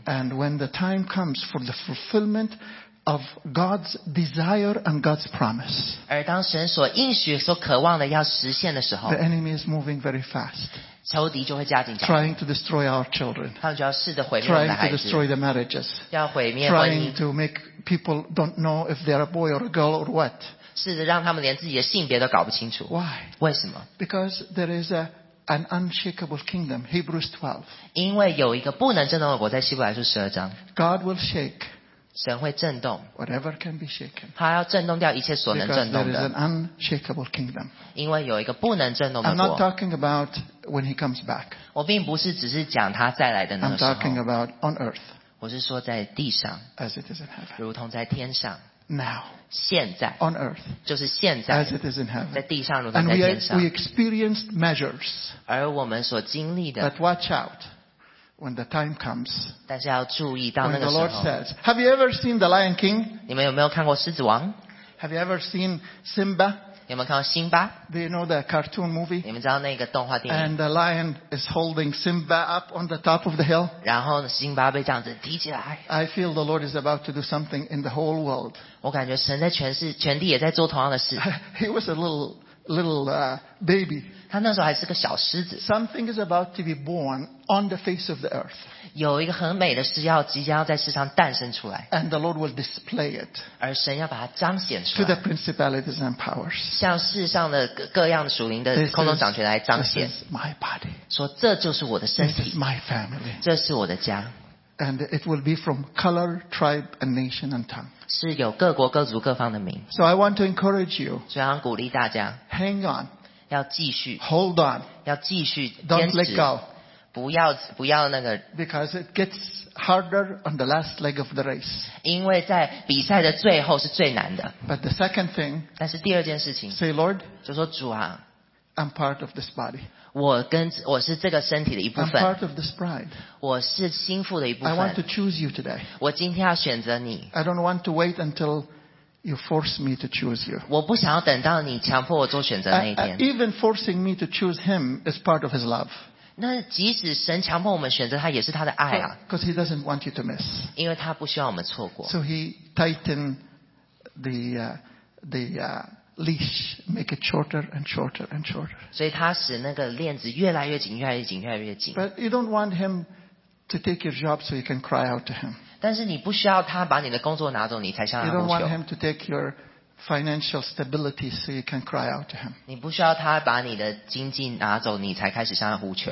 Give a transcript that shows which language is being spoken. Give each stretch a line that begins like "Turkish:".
English: and when the time comes for the fulfillment of God's desire and God's promise
Chinese: 而当神所应许所渴望的要实现的时候
English: the enemy is moving very fast
Chinese: 仇敌就会加紧
English: trying to destroy our children
Chinese: 他们就要试着毁灭我们的孩子
English: trying to destroy the marriages
Chinese: 要毁灭婚姻
English: trying to make people don't know if they're a boy or a girl or what
Chinese: 试着让他们连自己的性别都搞不清楚。
English: Why?
Chinese: 为什么
English: ？Because there is an unshakable kingdom, Hebrews 12.
Chinese: 因为有一个不能震动的国，在希伯来书十二章。
English: God will shake.
Chinese: 神会震动。
English: Whatever can be shaken.
Chinese: 他要震动掉一切所能震动的。
English: Because there is an unshakable kingdom.
Chinese: 因为有一个不能震动的国。
English: I'm not talking about when He comes back.
Chinese: 我并不是只是讲他再来的那个时候。
English: I'm talking about on earth.
Chinese: 我是说在地上。
English: As it is in heaven.
Chinese: 如同在天上。
English: Now,
Chinese: 现在
English: on earth,
Chinese: 就是现在
English: as it is in heaven,
Chinese: 在地上如同在天上
English: and we experienced measures,
Chinese: 而我们所经历的
English: but watch out when the time comes,
Chinese: 但是要注意到那个时候
English: when the Lord says, Have you ever seen the Lion King?
Chinese: 你们有没有看过狮子王
English: Have you ever seen Simba?
Chinese: 有没有看过辛巴
English: Do you know the cartoon movie?
Chinese: 你们知道那个动画电影
English: And the lion is holding Simba up on the top of the hill,
Chinese: 然后辛巴被这样子提起来
English: I feel the Lord is about to do something in the whole world,
Chinese: 我感觉神在全地也在做同样的事。
English: He was a little little baby.
Chinese: 他那时候还是个小狮子。
English: Something is about to be born on the face of the earth.
Chinese: 有一个很美的事要即将要在世上诞生出来。
English: And the Lord will display it.
Chinese: 而神要把它彰显出来。
English: To the principalities and powers.
Chinese: 向世上的各样属灵的空中掌权来彰显。
English: This is my body.
Chinese: 说这就是我的身体。
English: This is my family.
Chinese: 这是我的家。
English: And it will be from color, tribe, and nation and tongue.
Chinese: 是有各国各族各方的名。
English: So I want to encourage you.
Chinese: 所以要鼓励大家。
English: Hang on.
Chinese: 要继续。
English: Hold on.
Chinese: 要继续。
English: Don't let go.
Chinese: 不要那个。
English: Because it gets harder on the last leg of the race.
Chinese: 因为在比赛的最后是最难的。
English: But the second thing.
Chinese: 但是第二件事情。
English: Say Lord.
Chinese: 就说主啊。
English: I'm part of this body.
Chinese: 我是这个身体的一部分。
English: I'm part of this bride.
Chinese: 我是心腹的一部分。
English: I want to choose you today.
Chinese: 我今天要选择你。
English: I don't want to wait until you force me to choose you.
Chinese: 我不想要等到你强迫我做选择那一天。
English: Even forcing me to choose him is part of his love.
Chinese: 那即使神强迫我们选择他，也是他的爱啊。
English: Because he doesn't want you to miss.
Chinese: 因为他不希望我们错过。
English: So he tightened the leash, make it shorter and shorter and shorter.
Chinese: 所以他使那个链子越来越紧，越来越紧，越来越紧。
English: But you don't want him to take your job so you can cry out to him.
Chinese: 但是你不需要他把你的工作拿走，你才向他呼求。
English: You don't want him to take your financial stability so you can cry out to him.
Chinese: 你不需要他把你的经济拿走，你才开始向他呼求。